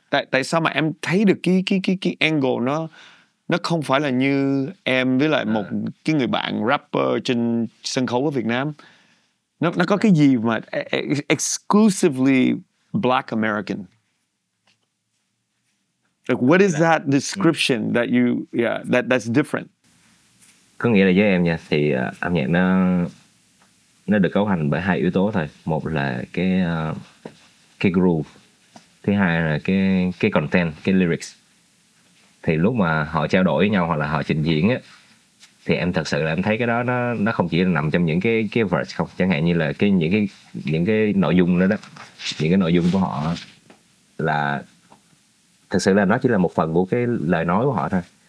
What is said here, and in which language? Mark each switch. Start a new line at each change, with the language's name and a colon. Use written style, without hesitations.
Vietnamese: Tại sao mà em thấy được cái angle nó không phải là như em với lại một cái người bạn rapper trên sân khấu ở Việt Nam? Nó có cái gì mà exclusively Black American?
English: Like, what is that description that you, yeah, that's different?
Vietnamese: Có nghĩa là với em nha, thì âm nhạc nó được cấu thành bởi hai yếu tố thôi. Một là cái groove. Thứ hai là cái content, cái lyrics. Thì lúc mà họ trao đổi với nhau hoặc là họ trình diễn á, thì em thật sự là em thấy cái đó nó không chỉ là nằm trong những cái verse không, chẳng hạn như là những cái nội dung đó, những cái nội dung của họ là thật sự là nó chỉ là một phần của cái lời nói của họ thôi.